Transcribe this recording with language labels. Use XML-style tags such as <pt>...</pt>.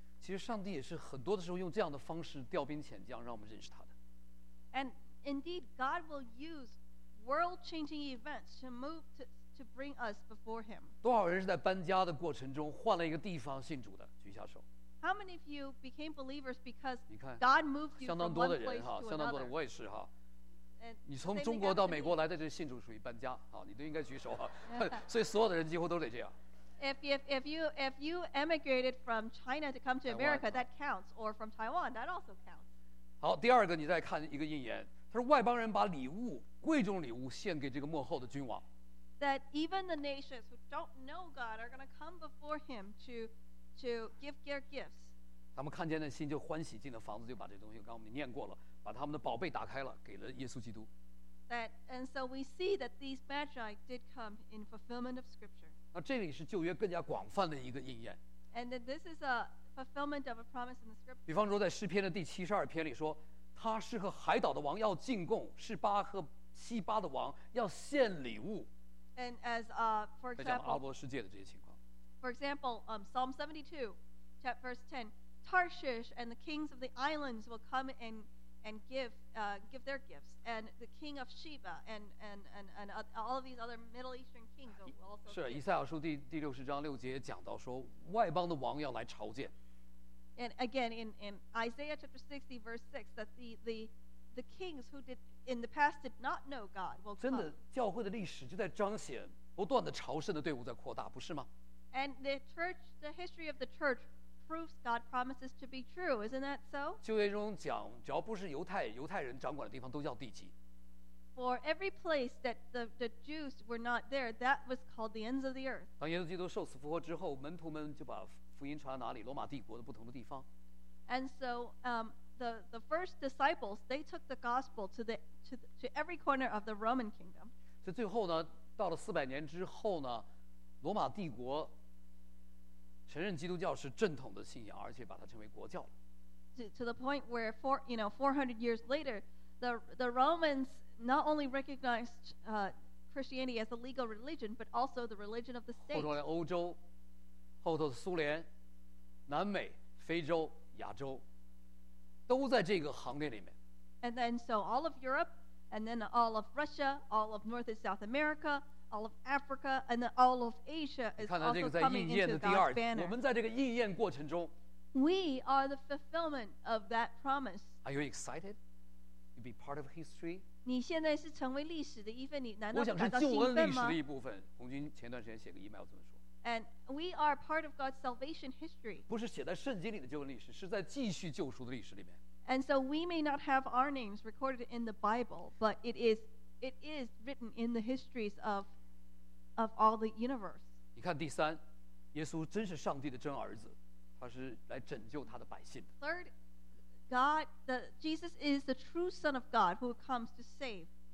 <zh>其实上帝也是很多的时候用这样的方式调兵遣将，让我们认识他的。</zh> <en>And indeed, God will use world-changing events to move to bring us before Him.</en> <zh>多少人是在搬家的过程中换了一个地方信主的？举下手。</zh> <en>How many of you became believers because God moved you from one place to another?</en> <zh>相当多的人哈，相当多的，我也是哈。你从中国到美国来的这个信主属于搬家，好，你都应该举手啊。所以所有的人几乎都得这样。</zh> <en>If you emigrated from China to come to America, that counts. Or from Taiwan, that also counts.</en> <zh>好，第二个你再看一个应言，他说外邦人把礼物，贵重礼物献给这个幕后的君王。</zh> <en>That even the nations who don't know God are going to come before Him to give their gifts.</en> <zh>他们看见那心就欢喜，进了房子就把这东西，刚我们念过了。把他们的宝贝打开了，给了耶稣基督。</zh> <en>That and so we see that these magi did come in fulfillment of Scripture.</en> <zh>那这里是旧约更加广泛的一个应验。</zh> <en>And that this is a fulfillment of a promise in the Scripture.</en> <zh>比方说，在诗篇的第七十二篇里说，他是和海岛的王要进贡，是巴和西巴的王要献礼物。</zh> <en>And as for example,</en> <zh>在讲阿拉伯世界的这些情况。</zh> <en>For example, Psalm 72, chapter verse 10, Tarshish and the kings of the islands will come and give their gifts, and the king of Sheba and all of these other Middle Eastern kings will also.</en> <zh>是以赛亚书第六十章六节讲到说，外邦的王要来朝见。</zh> <en>And again, in Isaiah chapter 60 verse 6, that the kings who did in the past did not know God will come.</en> <zh>真的，教会的历史就在彰显不断的朝圣的队伍在扩大，不是吗？</zh> <en>And the church, the history of the church. Proves God promises to be true, isn't that so?</en> <zh>旧约中讲，只要不是犹太人掌管的地方，都叫地极。</zh> <en>For every place that the Jews were not there, that was called the ends of the earth.</en> <zh>当耶稣基督受死复活之后，门徒们就把福音传到哪里？罗马帝国的不同的地方。</zh> <en>And so, the first disciples they took the gospel to every corner of the Roman kingdom.</en> <zh>所以最后呢，到了四百年之后呢，罗马帝国。承认基督教是正统的信仰，而且把它称为国教。</zh> <en>To the point where four hundred years later, the Romans not only recognized Christianity as a legal religion, but also the religion of the state.</en> <zh>后来欧洲，后头苏联，南美、非洲、亚洲，都在这个行列里面。</zh> <en>And then so all of Europe, and then all of Russia, all of North and South America. All of Africa and all of Asia is also coming into God's banner.</en> <zh>我们在这个应验过程中</zh> <en>we are the fulfillment of that promise. Are you excited to be part of history?</en> <zh>你现在是成为历史的一份，你难道感到兴奋吗？我想是救恩历史的一部分。红军前段时间写个 email 这么说。</zh> <en>And we are part of God's salvation history.</en> <zh>不是写在圣经里的救恩历史，是在继续救赎的历史里面。</zh> <en>And so we may not have our names recorded in the Bible, but it is written in the histories of all the universe.</en> <zh>你看第三，耶稣真是上帝的真儿子，他是来拯救他的百姓的。</zh> <en>Third, God, the Jesus is the true Son of God who comes to save.</en>